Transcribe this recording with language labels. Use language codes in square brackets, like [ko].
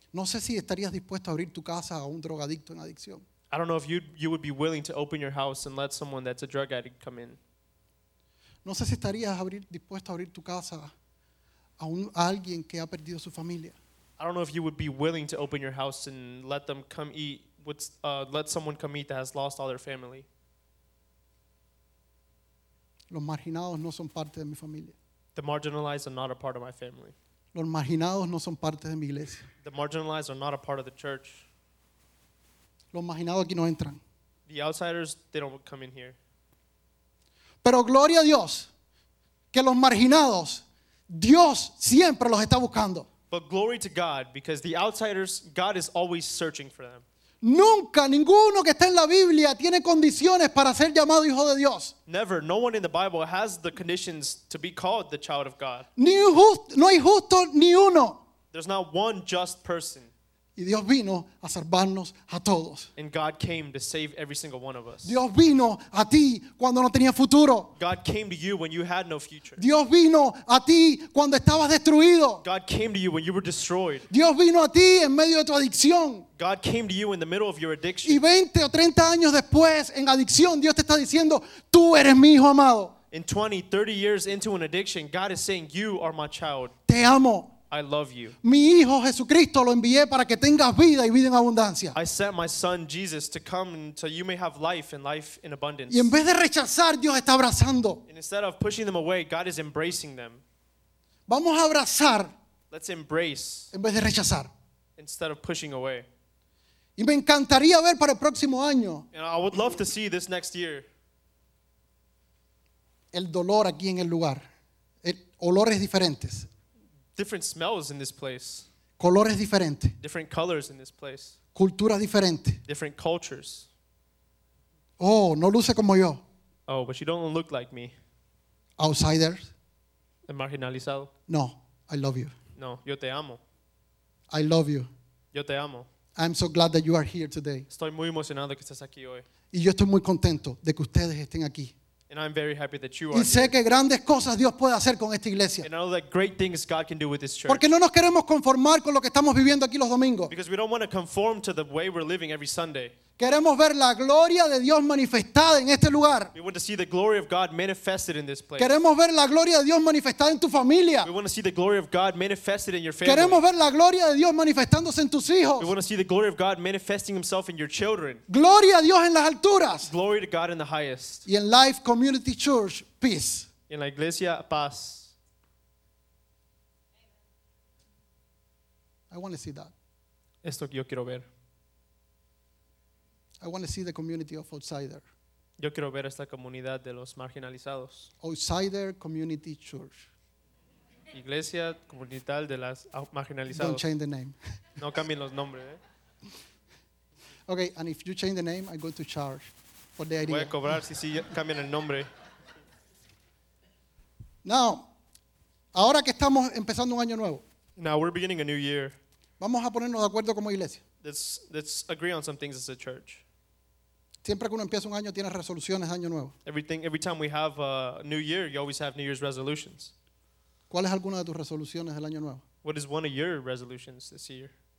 [es] No sé si estarías dispuesto a abrir tu casa a un drogadicto en adicción. [en] I don't know if you would be willing to open your house and let someone that's a drug addict come in. [es] No sé si estarías dispuesto a abrir tu casa a alguien que ha perdido su familia. [en] I don't know if you would be willing to open your house and let them come eat with let someone come eat that has lost all their family. [es] Los marginados no son parte de mi familia. [en] The marginalized are not a part of my family. [es] Los marginados no son parte de mi iglesia. [en] The marginalized are not a part of the church. [es] Los marginados aquí no entran. [en] The outsiders, they don't come in here. [es] Pero gloria a Dios, que los marginados, Dios siempre los está buscando. [en] But glory to God, because the outsiders, God is always searching for them. [es] Nunca ninguno que está en la Biblia tiene condiciones para ser llamado hijo de Dios. [en] Never, no one in the Bible has the conditions to be called the child of God. [es] Ni justo, no hay justo ni uno. [en] There's not one just person. [es] Y Dios vino a salvarnos a todos. [en] And God came to save every single one of us. [es] Dios vino a ti cuando no tenías futuro. [en] God came to you when you had no future. [es] Dios vino a ti cuando estabas destruido. [en] God came to you when you were destroyed. [es] Dios vino a ti en medio de tu adicción. [en] God came to you in the middle of your addiction. [es] Y 20 o 30 años después en adicción, Dios te está diciendo, tú eres mi hijo amado. [en] In 20, 30 years into an addiction, God is saying, you are my child. [es] Te amo. [en] I love you. [es] Mi hijo Jesucristo lo envié para que tengas vida y vida en abundancia. [en] I sent my son Jesus to come so you may have life and life in abundance. [es] Y en vez de rechazar, Dios está abrazando. [en] And instead of pushing them away, God is embracing them. [es] Vamos a abrazar. [en] Let's embrace. [es] En vez de rechazar. [en] Instead of pushing away. [es] Y me encantaría ver para el próximo año. [en] And I would love to see this next year. [es] El dolor aquí en el lugar. Olores diferentes. [en] Different smells in this place. [es] Colores diferentes. [en] Different colors in this place. [es] Culturas diferentes. [en] Different cultures. [es] Oh, no luce como yo. [en] Oh, but you don't look like me. Outsiders. [es] El marginalizado. [en] No, I love you. [es] No, yo te amo. [en] I love you. [es] Yo te amo. [en] I'm so glad that you are here today. [es] Estoy muy emocionado que estés aquí hoy. Y yo estoy muy contento de que ustedes estén aquí. [en] And I'm very happy that you are here. [es] Y sé que grandes cosas Dios puede hacer con esta iglesia. [en] And I know that great things God can do with this church. [es] Porque no nos queremos conformar con lo que estamos viviendo aquí los domingos. [en] Because we don't want to conform to the way we're living every Sunday. [es] Queremos ver la gloria de Dios manifestada en este lugar. [en] We want to see the glory of God manifested in this place. [es] Queremos ver la gloria de Dios manifestada en tu familia. [en] We want to see the glory of God manifested in your family. [es] Queremos ver la gloria de Dios manifestándose en tus hijos. [en] We want to see the glory of God manifesting himself in your children. [es] Gloria a Dios en las alturas. [en] Glory to God in the highest. [es] Y en [en] Life Community Church, peace. [es] En la iglesia, paz. [en] I want to see that. [es] Esto que yo quiero ver. [en] I want to see the community of outsider. [es] Yo quiero ver esta comunidad de los marginalizados. [en] Outsider Community Church. [es] Iglesia comunitaria de las marginalizados. [en] Don't change the name. [es] No cambien los nombres. [en] Okay, and if you change the name, I go to charge for the idea. [es] Voy a cobrar si cambian el nombre. Now, ahora que estamos empezando un año nuevo. [en] Now we're beginning a new year. [es] Vamos a ponernos de acuerdo como iglesia. [en] Let's agree on some things as a church. [es] Siempre que uno empieza un año tiene resoluciones de año nuevo. [en] Every time we have a new year, you always have New Year's resolutions. [es] ¿Cuál es alguna de tus resoluciones del año nuevo? [en] What is one of your resolutions this year?